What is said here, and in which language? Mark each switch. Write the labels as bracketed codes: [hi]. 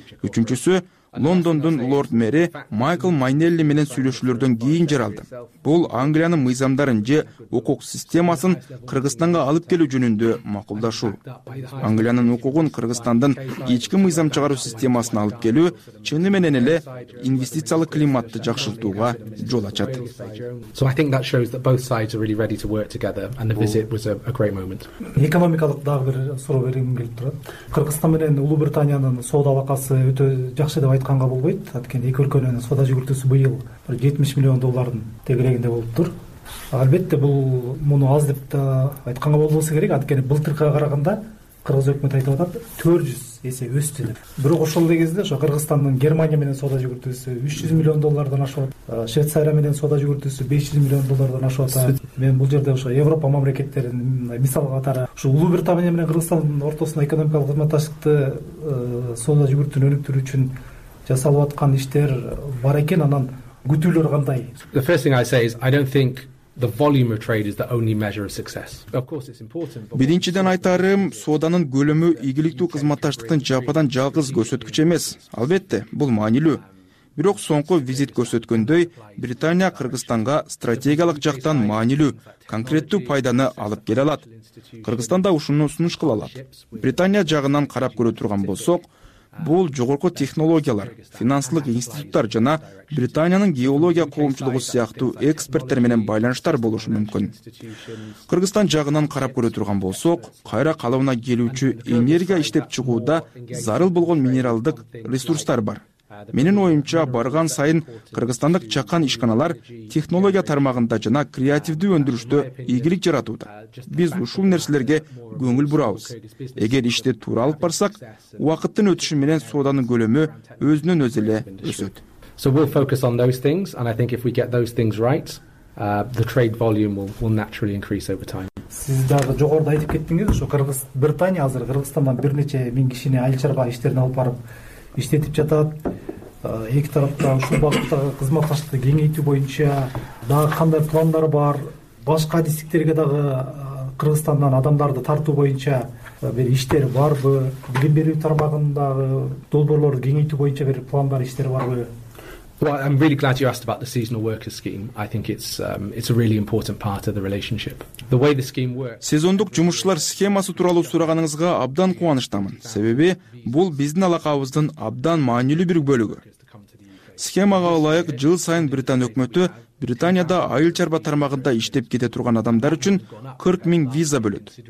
[ky] Үчүнчүсү Лондондун лорд мэри Майкл Майнелли менен сүйлөшүүлөрдөн кийин жаралды. Бул Англиянын мыйзамдарын же укук системасын Кыргызстанга алып келүү жөнүндө макулдашуу. Англиянын укугун Кыргызстандын ички мыйзам чыгаруу системасына алып келүү чыны менен эле инвестициялык климатты жакшыртууга жол ачат. [en] So I think that shows that both sides are really ready to work together and the visit was a great moment. [ky] Экономикалык дагы бир суроо бергим келип турат. Кыргызстан менен Улуу Британиянын соода алакасы өтө жакшы деп айтканга болбойт. Анткени эки өлкөнүн соода жүгүртүүсү быйыл бир 70 миллион доллардын тегерегинде болуптур. Албетте бул муну аз деп да айтканга болбосо керек. Анткени былтыркыга караганда кыргыз өкмөт айтып атат 400 эсе өстү деп. Бирок ошол эле кезде ошо Кыргызстандын Германия менен соода жүгүртүүсү 300 миллион доллардан ашып атат. Швейцария менен соода жүгүртүүсү 500 миллион доллардан ашып атат. Мен бул жерде ошо Европа мамлекеттерин мисал катары ушу Улуу Британия менен Кыргызстандын ортосунда экономикалык кызматташтыкты соода жүгүртүүнү өнүктүрүү үчүн жасалып аткан иштер бар экен, анан күтүүлөр кандай? [en] The first thing I say is I don't think the volume of trade is the only measure of success. Of course it's important. [ky] Биринчиден айтарым, сооданын көлөмү ийгиликтүү кызматташтыктын жападан жалгыз көрсөткүч эмес. Албетте, бул маанилүү. Бирок соңку визит көрсөткөндөй, Британия Кыргызстанга стратегиялык жактан маанилүү, конкреттүү пайданы алып келе алат. Кыргызстан да ушуну сунуш кыла алат. Британия жагынан карап көрө турган болсок, Бул жогорку технологиялар, финансылык институттар жана Британиянын геология коомчулугу сыяктуу эксперттер менен байланыштар болушу мүмкүн. Кыргызстан жагынан карап көрө турган болсок, кайра калыбына келүүчү энергия иштеп чыгууда зарыл болгон минералдык ресурстар бар. Менин оюмча, барган сайын кыргызстандык чакан ишканалар технология тармагында жана креативдүү өндүрүштө ийгилик жаратууда. Биз ушул нерселерге көңүл бурабыз. Эгер ишти туура алып барсак, убакыттын өтүшү менен сооданын көлөмү өзүнөн өзү эле өсөт. [en] So we'll focus on those things and I think if we get those things right, the trade volume will naturally increase over time. [ky] Сиз дагы жогоруда айтып кеттиңиз, ошо Кыргыз Британия азыр Кыргызстандан бир нече миң кишини айыл чарба иштерине алып барып иштетип жатат. Эки тарапта ушул багыттагы кызматташтыкты кеңейтүү боюнча дагы кандай пландар бар? Башка дистрикттерге дагы Кыргызстандан адамдарды тартуу боюнча бир иштер барбы? Билим берүү тармагындагы долбоорлорду кеңейтүү боюнча бир пландар, иштер барбы? [en] Well, I'm really glad you asked about the seasonal workers scheme. I think it's a really important part of the relationship. The way the scheme works. [ky] Сезондук жумушчулар схемасы тууралуу сураганыңызга абдан кубанычтамын. Себеби бул биздин алакабыздын абдан маанилүү бир бөлүгү. Схемага ылайык, жыл сайын Британ өкмөтү Британияда айыл чарба тармагында иштеп кете турган адамдар үчүн 40,000 виза бөлөт.